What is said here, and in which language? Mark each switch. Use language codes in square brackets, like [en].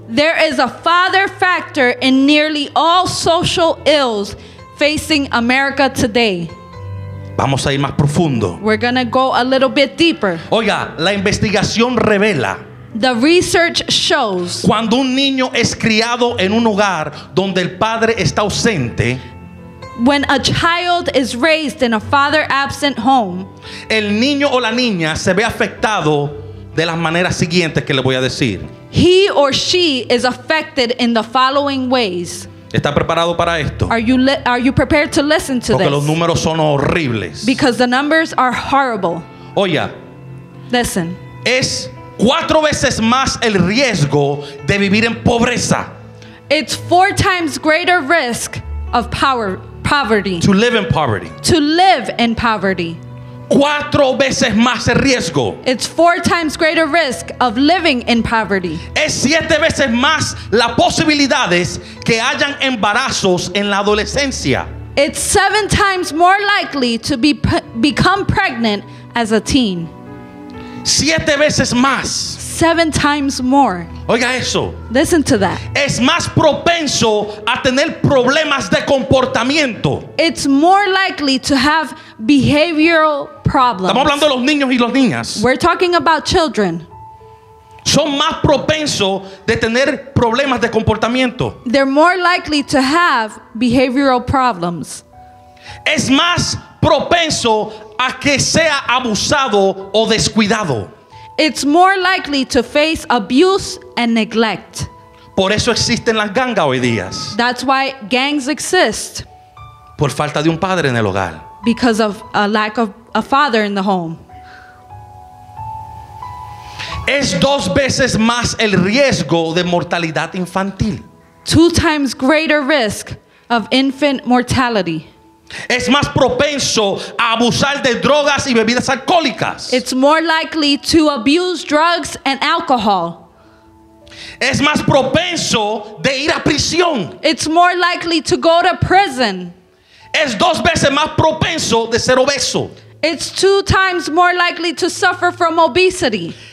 [en] There is a father factor in nearly all social ills facing America today. [es] Vamos a ir más profundo. [en] We're gonna go a little bit deeper. [es] Oiga, la investigación revela. [en] The research shows. [es] Cuando un niño es criado en un hogar donde el padre está ausente. [en] When a child is raised in a father absent home. [es] El niño o la niña se ve afectado de las maneras siguientes que le voy a decir. [en] He or she is affected in the following ways. [es] ¿Está preparado para esto? [en] Are you prepared to listen to [es] Porque [en] this? [es] Los números son horribles. [en] Because the numbers are horrible. [es] Oiga. [en] Listen. [es] Es cuatro veces más el riesgo de vivir en pobreza. [en] It's four times greater risk of poverty. To live in poverty. To live in poverty. [es] Cuatro veces más el riesgo. [en] It's four times greater risk of living in poverty. [es] Es siete veces más las posibilidades que hayan embarazos en la adolescencia. [en] It's seven times more likely to become pregnant as a teen. [es] Siete veces más. [en] Seven times more. [es] Oiga eso. [en] Listen to that. [es] Es más propenso a tener problemas de comportamiento. [en] It's more likely to have behavioral problems. [es] Estamos hablando de los niños y las niñas. [en] We're talking about children. [es] Son más propensos de tener problemas de comportamiento. [en] They're more likely to have behavioral problems. [es] Es más propenso a que sea abusado o descuidado. [en] It's more likely to face abuse and neglect. [es] Por eso existen las gangas hoy día. [en] That's why gangs exist. [es] Por falta de un padre en el hogar. [en] Because of a lack of a father in the home. [es] Es dos veces más el riesgo de mortalidad infantil. [en] Two times greater risk of infant mortality. [es] Es más propenso a abusar de drogas y bebidas alcohólicas. [en] It's more likely to abuse drugs and alcohol. [es] Es más propenso de ir a prisión. [en] It's more likely to go to prison. [es] Es dos veces más propenso de ser obeso. [en] It's two times more likely to suffer from obesity.